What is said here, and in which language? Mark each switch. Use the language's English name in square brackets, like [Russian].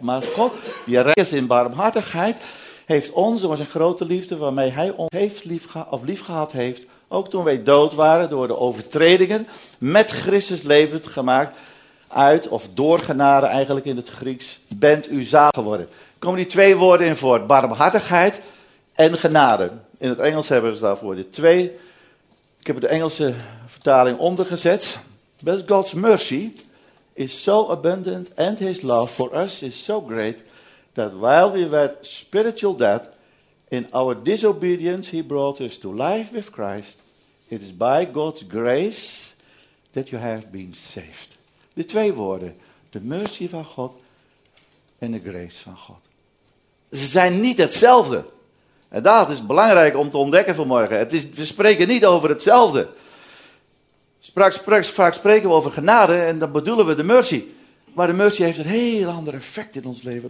[Dutch] Maar God, die rijk is in barmhartigheid, heeft ons door zijn grote liefde, waarmee hij ons heeft lief gehad heeft, ook toen wij dood waren door de overtredingen, met Christus levend gemaakt, uit of door genade eigenlijk in het Grieks, bent u zalig geworden. Komen die twee woorden in voor, barmhartigheid en genade. In het Engels hebben ze daarvoor de twee. Ik heb de Engelse vertaling ondergezet. [English] But God's mercy is so abundant and his love for us is so great that while we were spiritual dead, in our disobedience he brought us to life with Christ. It is by God's grace that you have been saved. [Dutch] De twee woorden, de mercy van God en de grace van God. Ze zijn niet hetzelfde. En dat is belangrijk om te ontdekken vanmorgen. We spreken niet over hetzelfde. Vaak spreken we over genade en dan bedoelen we de mercy. Maar de mercy heeft een heel ander effect in ons leven.